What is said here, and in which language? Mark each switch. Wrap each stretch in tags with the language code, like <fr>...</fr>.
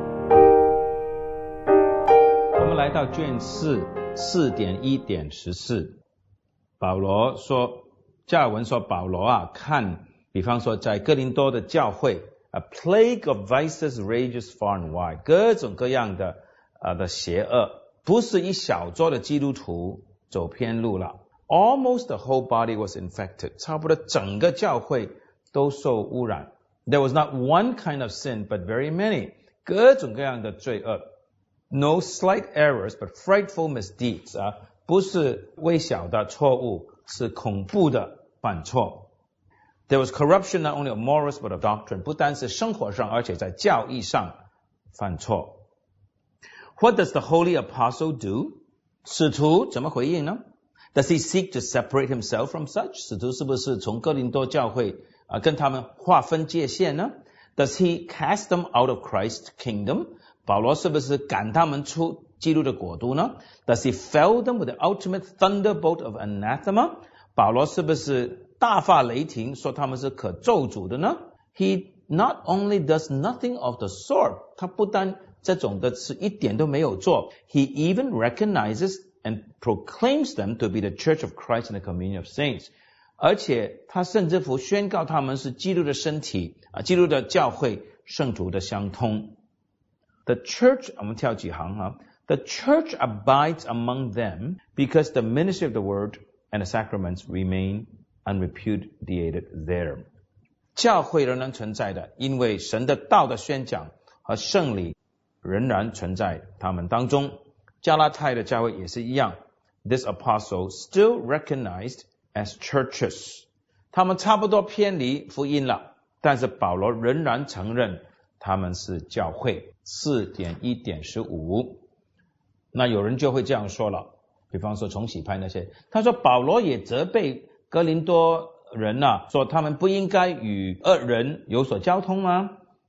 <zh>我们来到卷四四点一点十四，保罗说，加尔文说，保罗啊，看，比方说在哥林多的教会，</zh> <en>A plague of vices rages far and wide，</en> <zh>各种各样的的邪恶，不是一小撮的基督徒走偏路了。</zh> <en>Almost the whole body was infected，</en> <zh>差不多整个教会都受污染。</zh> <en>There was not one kind of sin, but very many，</en> <zh>各种各样的罪恶。</zh> <en>No slight errors, but frightful misdeeds，</en> <zh>不是微小的错误，是恐怖的犯错。</zh> <en>There was corruption not only of morals, but of doctrine，</en> <zh>不单是生活上，而且在教义上犯错。</zh> <en>What does the holy apostle do？</en> <zh>使徒怎么回应呢？</zh> <en>Does he seek to separate himself from such？</en> <zh>使徒是不是从哥林多教会跟他们划分界限呢？</zh> <en>Does he cast them out of Christ's kingdom？</en> <zh>保罗是不是赶他们出基督的国度呢？</zh> <en>Does he fell them with the ultimate thunderbolt of anathema？</en> <zh>保罗是不是大发雷霆，说他们是可咒诅的呢？</zh> <en>He not only does nothing of the sort，</en> <zh>他不但这种的事一点都没有做，</zh> <en>He even recognizes and proclaims them to be the church of Christ and the communion of saints，</en> <zh>而且他甚至乎宣告他们是基督的身体，基督的教会，圣徒的相通。</zh> <en>The church，</en> <zh>我们跳几行啊，</zh> <en>The church abides among them because the ministry of the word and the sacraments remain unrepudiated there，</en> <zh>教会仍然存在的，因为神的道的宣讲和圣礼仍然存在他们当中。加拉太的教会也是一样，</zh> <en>This apostle still recognized as churches，</en> <zh>他们差不多偏离福音了，但是保罗仍然承认他们是教会。 4.1.15， 那有人就会这样说了，比方说重洗派那些，他说保罗也责备哥林多人啊，说他们不应该与恶人有所交通吗？</zh>